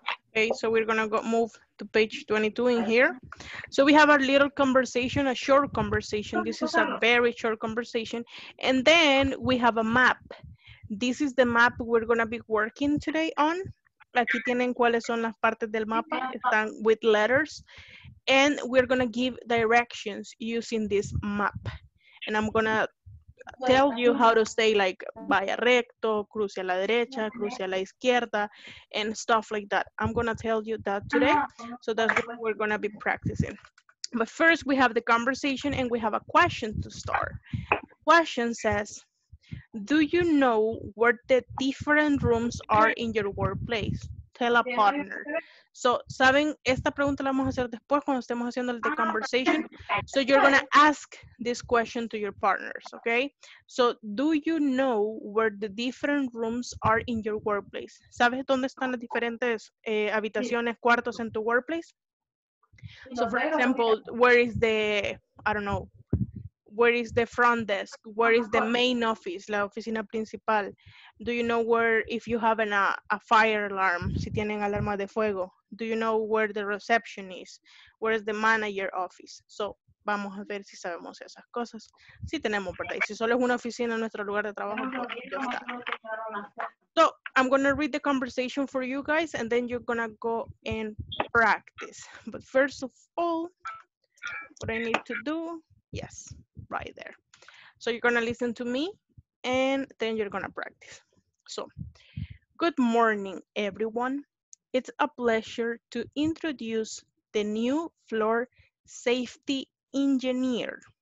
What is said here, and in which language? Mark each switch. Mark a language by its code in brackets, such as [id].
[en] Okay, so we're gonna go move to page 22 in here. So we have a little conversation, a short conversation. This is a very short conversation, and then we have a map. This is the map we're gonna be working today on. [es] Aquí tienen cuáles son las partes del mapa. Están [en] with letters. And we're going to give directions using this map. And I'm going to tell you how to say, like, [es] vaya recto, cruce a la derecha, cruce a la izquierda, [en] and stuff like that. I'm going to tell you that today. So that's what we're going to be practicing. But first, we have the conversation, and we have a question to start. The question says, Do you know where the different rooms are in your workplace? Tell a partner. So, [es] ¿saben? Esta pregunta la vamos a hacer después cuando estemos haciendo [en] the conversation. So, you're going to ask this question to your partners, okay? So, do you know where the different rooms are in your workplace? [es] ¿Sabes dónde están las diferentes habitaciones, cuartos en tu workplace? [en] So, for example, where is the, I don't know, where is the front desk? Where is the main office, [es] la oficina principal? [en] Do you know where, if you have a fire alarm, [es] si tienen alarma de fuego? [en] Do you know where the reception is? Where is the manager office? [es] So, vamos a ver si sabemos esas cosas. Si tenemos, ¿verdad? Y si solo es una oficina en nuestro lugar de trabajo, pues ya está. [en] So, I'm going to read the conversation for you guys, and then you're going to go and practice. But first of all, what I need to do, yes, right there. So, you're going to listen to me, and then you're going to practice. So, good morning, everyone. It's a pleasure to introduce the new floor safety engineer.